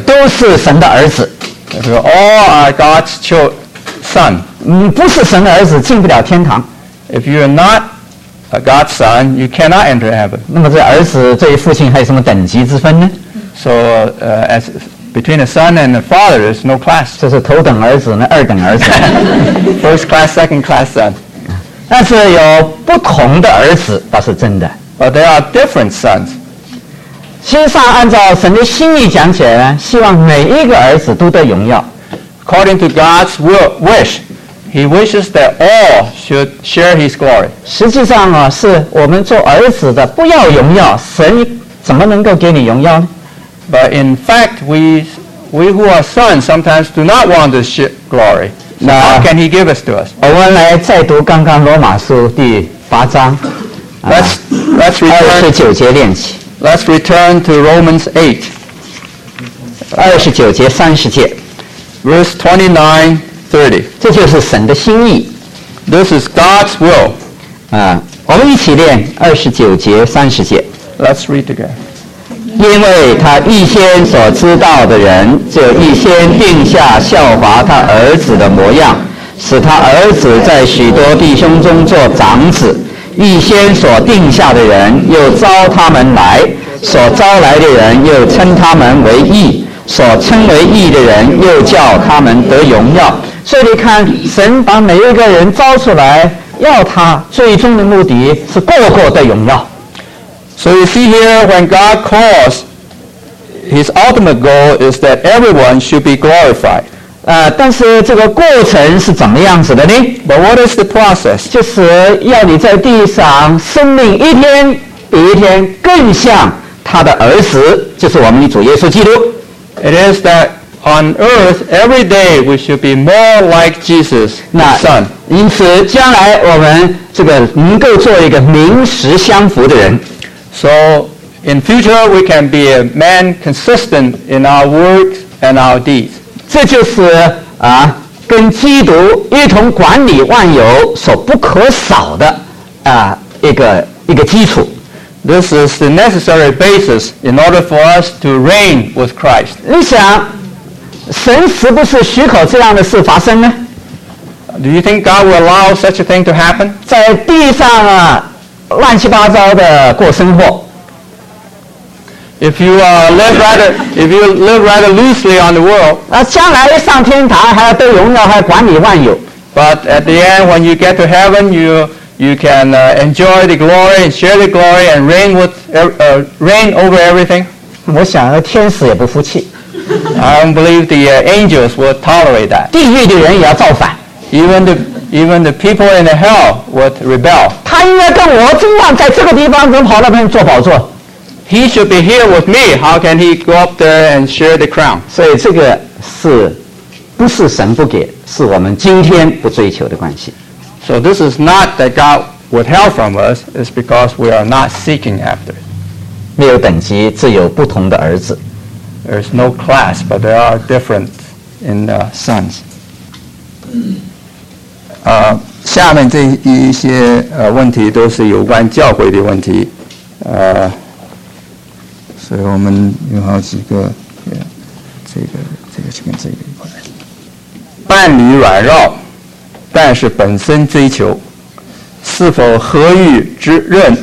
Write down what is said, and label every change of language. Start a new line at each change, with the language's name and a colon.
Chinese: 都是神的儿子。
English: All are God's son.
Chinese: 你不是神的儿子，进不了天堂。
English: If you are not a God's son, you cannot enter heaven.
Chinese: 那么这儿子对父亲还有什么等级之分呢？
English: So as between the son and the father, there's no class.
Chinese: 这是头等儿子，那二等儿子。
English: First class, second class son.
Chinese: 但是有不同的儿子倒是真的。
English: But there are different sons.
Chinese: 心上按照神的心意讲解呢，希望每一个儿子都得荣耀。
English: According to God's will, wish, He wishes that all should share His glory.
Chinese: 实际上啊，是我们做儿子的不要荣耀，神怎么能够给你荣耀呢？
English: But in fact, we who are sons sometimes do not want to share glory. So how can He give us to us?
Chinese: 我们来再读刚刚罗马书第八章。
English: Let's return to Romans 8.
Chinese: 29节30节。
English: Verse 29-30.
Chinese: 这就是神的心意。
English: This is God's will.
Chinese: 我们一起念29节30节。
English: Let's read together.
Chinese: 因为他预先所知道的人，就预先定下效法他儿子的模样，使他儿子在许多弟兄中做长子。预先所定下的人，又招他们来；所招来的人，又称他们为义；所称为义的人，又叫他们得荣耀。所以你看，神把每一个人招出来，要他最终的目的是个个得荣耀。
English: So you see here, when God calls, His ultimate goal is that everyone should be glorified.
Chinese: 但是这个过程是怎么样子的呢？
English: But what is the process?
Chinese: 就是要你在地上生命一天比一天更像他的儿子，就是我们的主耶稣基督。
English: It is that on earth, every day we should be more like Jesus, the Son.
Chinese: 因此将来我们这个能够做一个名实相符的人。
English: So, in future, we can be a man consistent in our works and our deeds.
Chinese: 这就是跟基督一同管理万有所不可少的一个基础。
English: This is the necessary basis in order for us to reign with Christ.
Chinese: 你想，神是不是许可这样的事发生呢？
English: Do you think God will allow such a thing to happen?
Chinese: 在地上啊。乱七八糟的过生活。
English: If you live rather loosely on the world,
Chinese: 将来上天堂还要得荣耀，还管理万有。
English: But at the end, when you get to heaven, you can enjoy the glory and share the glory and reign with reign over everything.
Chinese: 我想天使也不服气。
English: I don't believe the angels will tolerate that.
Chinese: 地狱的人也要造反。
English: Even the people in the hell would rebel.
Chinese: 他应该跟我一样，在这个地方能跑那边做宝座。
English: He should be here with me. How can he go up there and share the crown?
Chinese: 所以这个是不是神不给，是我们今天不追求的关系。
English: So this is not that God withheld from us. It's because we are not seeking after it.
Chinese: 没有等级，只有不同的儿子。
English: There's no class, but there are different in the sons.
Chinese: 下面这一些问题都是有关教会的问题，所以我们有好几个，这个是跟这个有关。伴侣软弱，但是本身追求，是否合欲之任？